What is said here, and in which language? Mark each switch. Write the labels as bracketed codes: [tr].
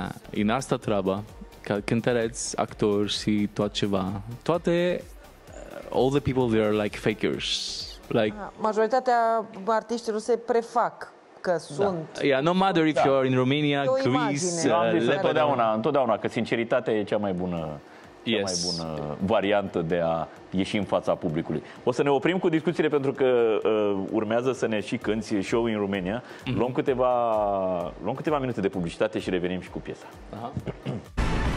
[ro] În asta treaba, ca cântăreți, actori și tot ceva. [en] Toate, all the people, they are like fakers. Like, [ro] majoritatea artiștilor se prefac că sunt. Da. [en] Yeah, no matter if you are in Romania, Greece, [ro] întotdeauna că sinceritatea e cea mai bună variantă de a ieși în fața publicului. O să ne oprim cu discuțiile pentru că urmează să ne și cânti show în România. Mm-hmm. Luăm câteva minute de publicitate și revenim și cu piesa. Aha.